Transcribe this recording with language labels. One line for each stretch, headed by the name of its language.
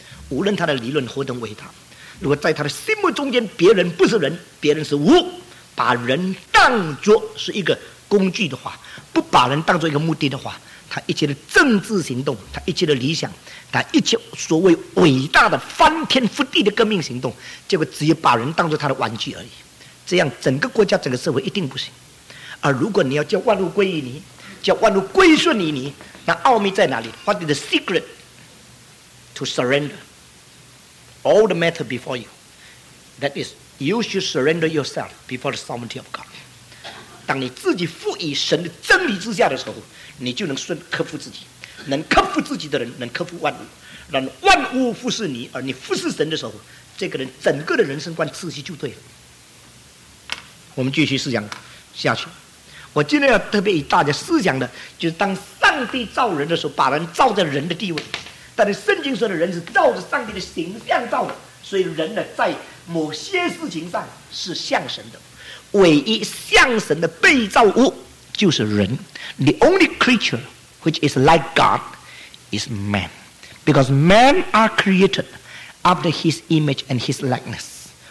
Chinese: 无论他的理论何等伟大，如果在他的心目中间别人不是人，别人是物，把人当作是一个工具的话，不把人当作一个目的的话，他一切的政治行动，他一切的理想，他一切所谓伟大的翻天覆地的革命行动，结果只有把人当作他的玩具而已。这样整个国家整个社会一定不行。而如果你要叫万物归于你，叫万物归顺于你，那奥秘在哪里？
English: What is the secret to surrender all the matter before you? That is, you should surrender yourself before the sovereignty of God.
Chinese: 当你自己赋予神的真理之下的时候，你就能克服自己。能克服自己的人能克服万物，让万物服侍你，而你服侍神的时候，这个人整个的人生观秩序就对了。我们继续思想下去。我今天要特别与大家思想的，就是当上帝造人的时候，把人造在人的地位。但是圣经说的人是照着上帝的形象造的，所以人呢，在某些事情上是像神的，唯一像神的被造物就是人。
English: The only creature which is like God is man, because men are created after his image and his likeness.